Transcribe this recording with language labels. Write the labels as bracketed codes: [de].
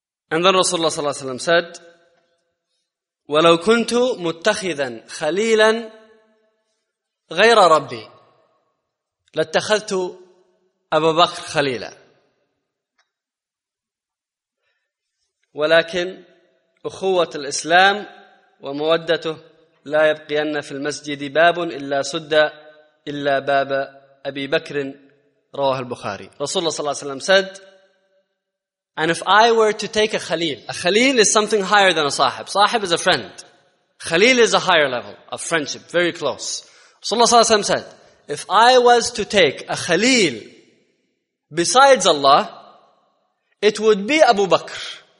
[en] And then Rasulullah sallallahu alaihi wasallam said, [ar] وَلَوْ كُنْتُ مُتَّخِذًا خَلِيلًا غَيْرَ رَبِّي لَاتَّخَذْتُ [en] Abu Bakr Khalila. [ar] ولكن أخوة الإسلام ومودته لا يبقين في المسجد باب إلا سد إلا باب أبي بكر رواه البخاري. [en] Rasulullah sallallahu alaihi wasallam said, and if I were to take a khalil is something higher than a sahib. Sahib is a friend. Khalil is a higher level of friendship, very close. Rasulullah sallallahu alaihi wasallam said, if I was to take a khalil besides Allah, it would be Abu Bakr.